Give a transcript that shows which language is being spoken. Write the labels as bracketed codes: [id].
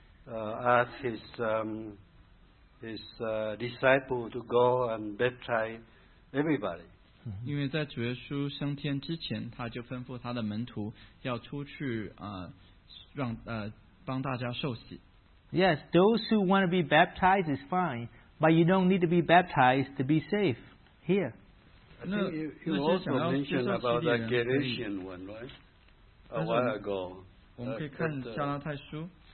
[en] Asked his disciple to go and baptize everybody. [zh] 因为在主耶稣升天之前，他就吩咐他的门徒要出去，让帮大家受洗. [en] Yes, those who want to be baptized is fine, but you don't need to be baptized to be safe here. You also mentioned about that Galatian one, right? A while ago. [zh] 我们可以看加拉太书。